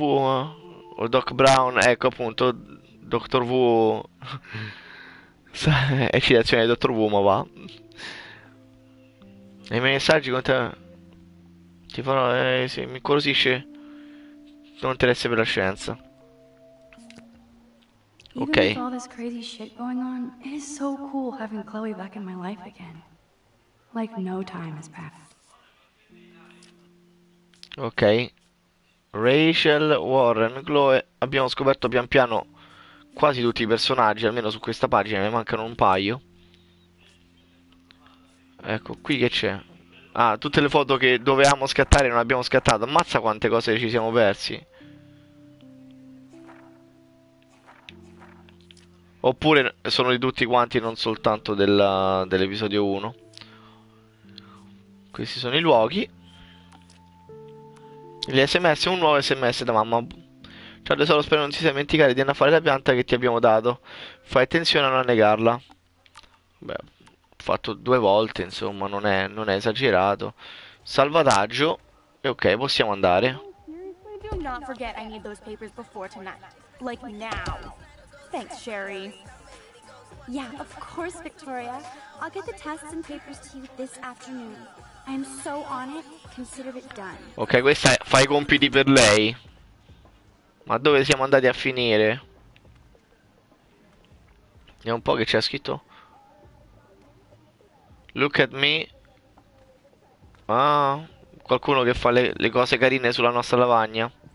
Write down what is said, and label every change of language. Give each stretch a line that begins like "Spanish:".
Italian: O Doc Brown? Ecco appunto. Dottor V. Eccitazione di Dottor V, ma va. Nei miei messaggi con te. Tipo no, sì, mi incuriosisce. Non interessa per la scienza.
English: Even with all this crazy shit going on, it is so cool having Chloe back in my life again. Like no time has passed. Ok. Rachel, Warren, Chloe.
Italian: Abbiamo scoperto pian piano quasi tutti i personaggi, almeno su questa pagina ne mancano un paio. Ecco, qui che c'è? Ah, tutte le foto che dovevamo scattare e non abbiamo scattato. Ammazza quante cose ci siamo persi. Oppure sono di tutti quanti, non soltanto dell'episodio 1. Questi sono i luoghi. Gli SMS, un nuovo SMS da mamma. Ciao tesoro, spero non ti sia dimenticato di annaffiare la pianta che ti abbiamo dato. Fai attenzione a non annegarla. Beh, fatto due volte, insomma, non è esagerato. Salvataggio. E ok, possiamo andare.
English: Do not forget I need those papers before tonight. Like now. Thanks, Sherry. Yeah, of course, Victoria. I'll get the tests and papers to you this afternoon. I am so on it. Consider it done.
Italian: Ok, questa fa i compiti per lei. Ma dove siamo andati a finire? Vediamo un po' che c'è scritto.
English: Look at me.
Italian: Ah, qualcuno che fa le cose carine sulla nostra lavagna.